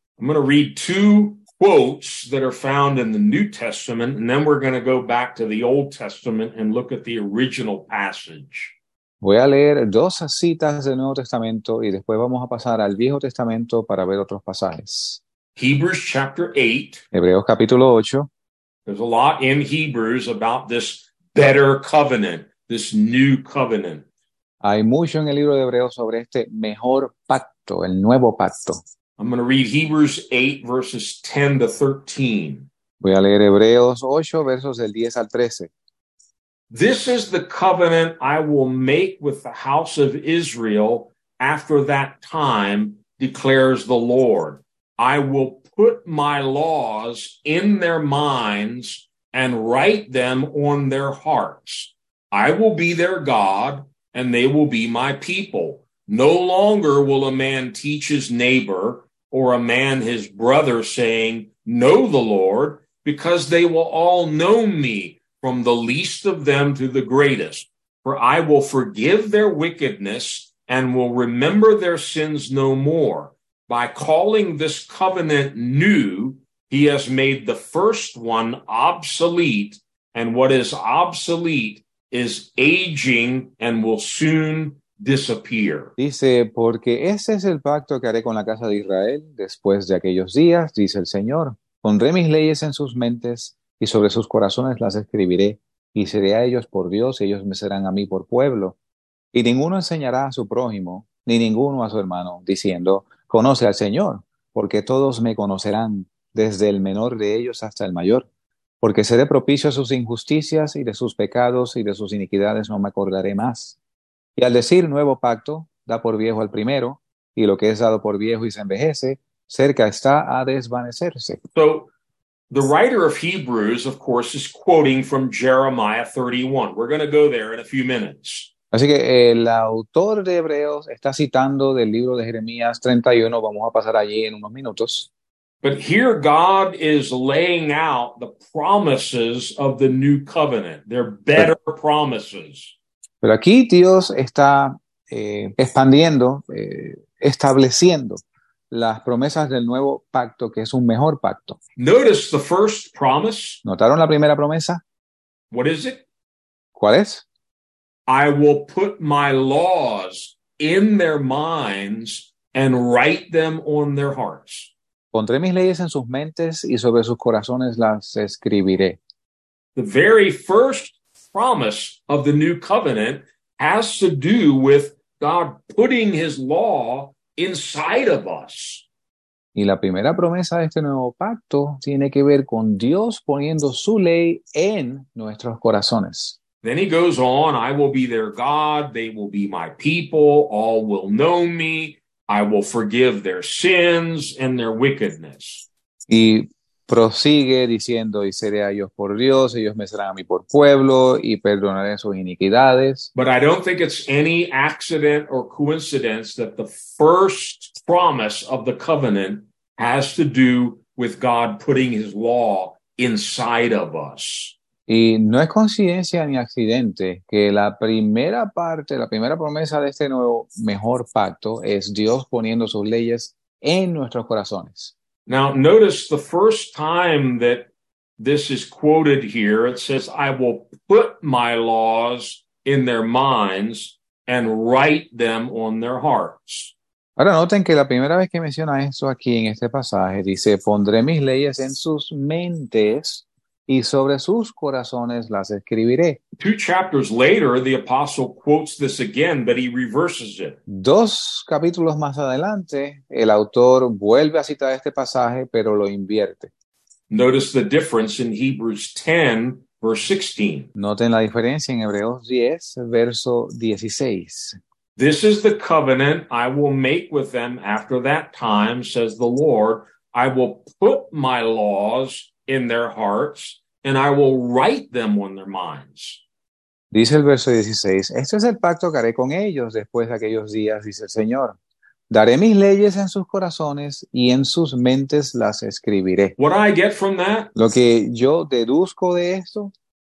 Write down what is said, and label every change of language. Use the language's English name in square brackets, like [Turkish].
[English] I'm going to read two quotes that are found in the New Testament, and then we're going to go back to the Old Testament and look at the original passage. [Spanish] Voy a leer dos citas del Nuevo Testamento y después vamos a pasar al Viejo Testamento para ver otros pasajes. [English] Hebrews chapter 8. [Spanish] Hebreos capítulo 8. [English] There's a lot in Hebrews about this better covenant, this new covenant. [Spanish] Hay mucho en el libro de Hebreos sobre este mejor pacto, el nuevo pacto. [English] I'm going to read Hebrews 8 verses 10 to 13. [Spanish] Voy a leer Hebreos 8 versos del 10 al 13. [English] This is the covenant I will make with the house of Israel after that time, declares the Lord. I will put my laws in their minds and write them on their hearts. I will be their God, and they will be my people. No longer will a man teach his neighbor or a man his brother, saying, Know the Lord, because they will all know me, from the least of them to the greatest. For I will forgive their wickedness and will remember their sins no more. By calling this covenant new, he has made the first one obsolete, and what is obsolete is aging and will soon disappear. [Spanish] Dice, porque ese es el pacto que haré con la casa de Israel después de aquellos días, dice el Señor. Pondré mis leyes en sus mentes y sobre sus corazones las escribiré, y seré a ellos por Dios y ellos me serán a mí por pueblo. Y ninguno enseñará a su prójimo, ni ninguno a su hermano, diciendo, conoce al Señor, porque todos me conocerán, desde el menor de ellos hasta el mayor. Porque seré propicio a sus injusticias y de sus pecados y de sus iniquidades no me acordaré más. Y al decir nuevo pacto, da por viejo al primero, y lo que es dado por viejo y se envejece, cerca está a desvanecerse. [English] So, the writer of Hebrews, of course, is quoting from Jeremiah 31. We're going to go there in a few minutes. [Spanish] Así que el autor de Hebreos está citando del libro de Jeremías 31. Vamos a pasar allí en unos minutos. [English] But here God is laying out the promises of the new covenant. They're better promises. [Spanish] Pero aquí Dios está expandiendo, estableciendo las promesas del nuevo pacto, que es un mejor pacto. [English] Notice the first promise. [Spanish] ¿Notaron la primera promesa? [English] What is it? [Spanish] ¿Cuál es? [English] I will put my laws in their minds and write them on their hearts. [Spanish] Pondré mis leyes en sus mentes y sobre sus corazones las escribiré. [English] The very first promise of the new covenant has to do with God putting his law inside of us. [Spanish] Y la primera promesa de este nuevo pacto tiene que ver con Dios poniendo su ley en nuestros corazones. [English] Then he goes on, I will be their God, they will be my people, all will know me, I will forgive their sins and their wickedness. [Spanish] Y prosigue diciendo, y seré a ellos por Dios, ellos me serán a mí por pueblo, y perdonaré sus iniquidades. [English] But I don't think it's any accident or coincidence that the first promise of the covenant has to do with God putting his law inside of us. [Spanish] Y no es coincidencia ni accidente que la primera parte, la primera promesa de este nuevo mejor pacto es Dios poniendo sus leyes en nuestros corazones. [English] Now, notice the first time that this is quoted here, it says, I will put my laws in their minds and write them on their hearts. [Spanish] Ahora noten que la primera vez que menciona eso aquí en este pasaje, dice, pondré mis leyes en sus mentes y sobre sus corazones las escribiré. [English] Two chapters later, the apostle quotes this again, but he reverses it. [Spanish] Dos capítulos más adelante, el autor vuelve a citar este pasaje, pero lo invierte. [English] Notice the difference in Hebrews 10, verse 16. [Spanish] Noten la diferencia en Hebreos 10, verso 16. [English] This is the covenant I will make with them after that time, says the Lord. I will put my laws in their hearts, and I will write them on their minds. [Spanish] Dice el verso 16, este es el pacto que haré con ellos después de aquellos días, dice el Señor. Daré mis leyes en sus corazones y en sus mentes las escribiré. [English] What I get from that, [Spanish] lo que yo deduzco de esto,